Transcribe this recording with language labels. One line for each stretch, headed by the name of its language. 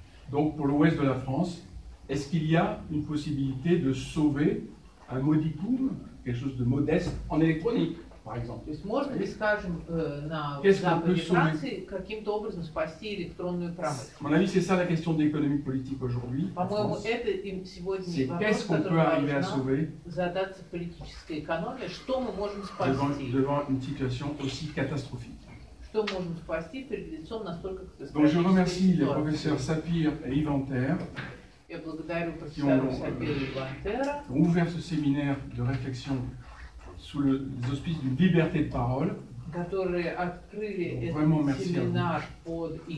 French: Donc pour l'ouest de la France, est-ce qu'il y a une possibilité de sauver un modicum, quelque chose de modeste, en électronique?
Russian: То есть можно ли, скажем, на Западе Франции каким-то образом спасти электронную промышленность?
French: Mon ami, c'est ça la question de l'économie politique aujourd'hui.
Russian: По-моему, это им сегодня вопрос, который должна задаться политическая экономия. Что мы можем спасти?
French: Devant une situation aussi catastrophique.
Russian: Что мы можем спасти перед лицом настолько катастрофической ситуации?
French: Donc je remercie les professeurs Sapir et Ivanter.
Russian: Я благодарю профессоров Сапир и Ивантера.
French: Qui ont ouvert ce séminaire de réflexion sous les auspices d'une liberté de parole. Donc, vraiment merci à vous.